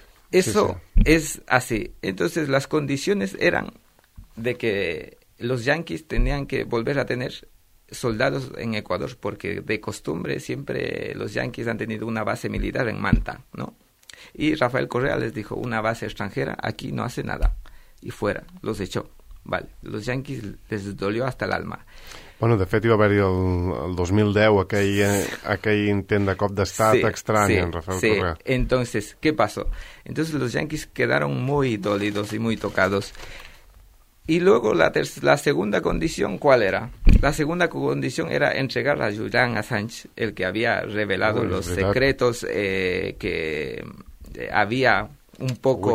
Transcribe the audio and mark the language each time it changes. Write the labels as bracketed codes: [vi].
[es] Eso sí, sí. Es así. Entonces, las condiciones eran de que los yanquis tenían que volver a tener soldados en Ecuador, porque de costumbre siempre los yanquis han tenido una base militar en Manta, ¿no? Y Rafael Correa les dijo, una base extranjera aquí no hace nada. Y fuera, los echó. Vale, los yanquis les dolió hasta el alma. [ca] Bueno, de fet, hi va haver-hi el 2010 aquell intent de cop d'estat estrany, en Rafael Correa. [es] Sí, entonces, ¿qué pasó? Entonces, los yanquis quedaron muy dolidos y muy tocados. Y luego, la segunda condición, ¿cuál era? La segunda condición era entregar a Julian Assange, el que había revelado los secretos que había un poco